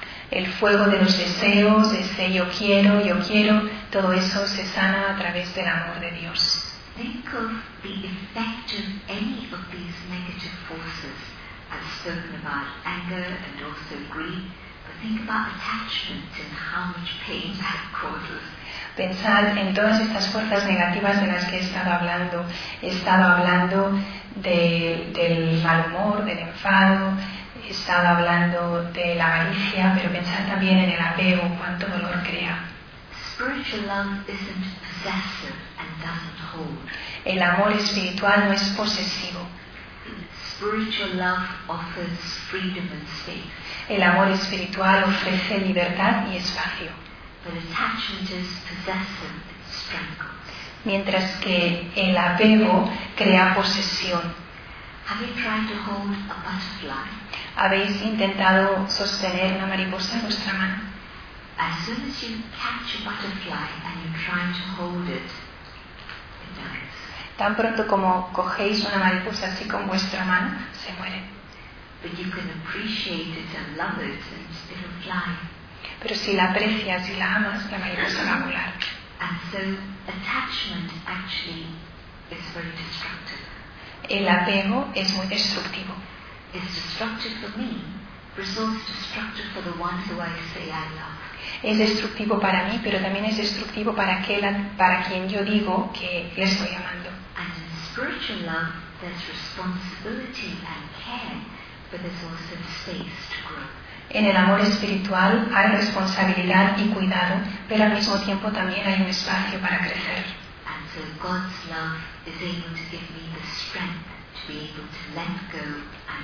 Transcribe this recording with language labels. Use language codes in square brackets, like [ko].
[es] El fuego de los deseos, ese yo quiero, todo eso se sana a través del amor de Dios. [en] Think of the effect of any of these negative forces I've spoken about, anger and also greed, but think about attachment and how much pain that causes. [es] Pensad en todas estas fuerzas negativas de las que he estado hablando del mal humor, del enfado. He estado hablando de la avaricia, pero pensar también en el apego, cuánto dolor crea. [en] Spiritual love isn't possessive and doesn't hold. [es] El amor espiritual no es posesivo. [en] Spiritual love offers freedom and space. [es] El amor espiritual ofrece libertad y espacio. [en] But attachment is possessive, strangles. [es] Mientras que el apego crea posesión. [en] Have you tried to hold a butterfly? [es] ¿Habéis intentado sostener una mariposa en vuestra mano? [en] As soon as you catch a butterfly and you try to hold it, it dies. [es] Tan pronto como cogéis una mariposa así con vuestra mano, se muere. [en] But you can appreciate it and love it and it'll fly. [es] Pero si la aprecias y la amas, la mariposa va a volar. [en] And so attachment actually is very destructive. [es] El apego es muy destructivo. [en] It's destructive for me, results destructive for the one who I say I love. [es] Es destructivo para mí, pero también es destructivo para quien yo digo que le estoy amando. [en] And in spiritual love, there's responsibility and care, but there's also space to grow. [es] En el amor espiritual hay responsabilidad y cuidado, pero al mismo tiempo también hay un espacio para crecer. [en] And so God's love is able to give me the strength to be able to let go.